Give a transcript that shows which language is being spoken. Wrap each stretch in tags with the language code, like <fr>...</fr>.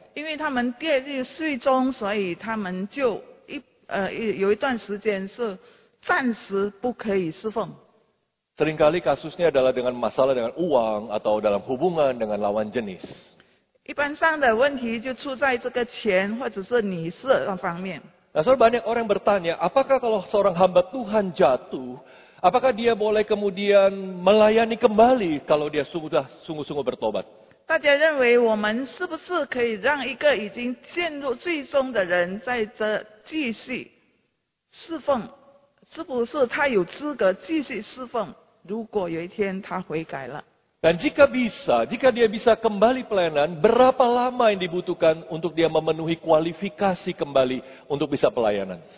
<zh>因为他们跌入罪中，所以他们就有一段时间是暂时不可以侍奉。</zh> <id>Seringkali kasusnya adalah dengan masalah dengan uang atau dalam hubungan dengan lawan jenis.</id> <zh>一般上的问题就出在这个钱或者是你是方面。</zh> <id>Nah, so banyak orang bertanya, apakah kalau seorang hamba Tuhan jatuh, Apakah dia boleh kemudian melayani kembali kalau dia sudah sungguh-sungguh bertobat?</id> <zh>大家认为我们是不是可以让一个已经陷入罪中的人再继续侍奉？是不是他有资格继续侍奉？如果有一天他悔改了？</zh> <id>Dan jika bisa, jika dia bisa kembali pelayanan, berapa lama yang dibutuhkan untuk dia memenuhi kualifikasi kembali untuk bisa pelayanan?</id>